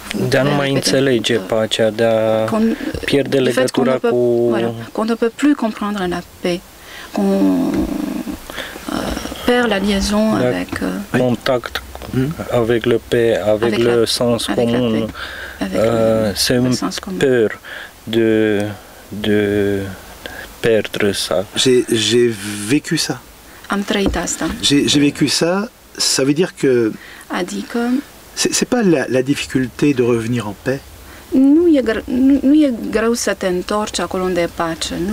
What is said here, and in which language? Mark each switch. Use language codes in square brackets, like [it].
[ro] De a nu mai înțelege pacea, de a pierde legătura cu... [fr] Qu'on ne peut plus comprendre la paix, qu'on perd la liaison avec... Contact avec le paix, avec le sens commun, c'est une peur de perdre ça. J'ai vécu ça. [ro] Am trăit asta. [fr] J'ai vécu ça, ça veut dire que... [ro] Adică... [fr] C'est pas la difficulté de revenir en paix. [ro] Nu e greu să te întorci acolo unde e pace.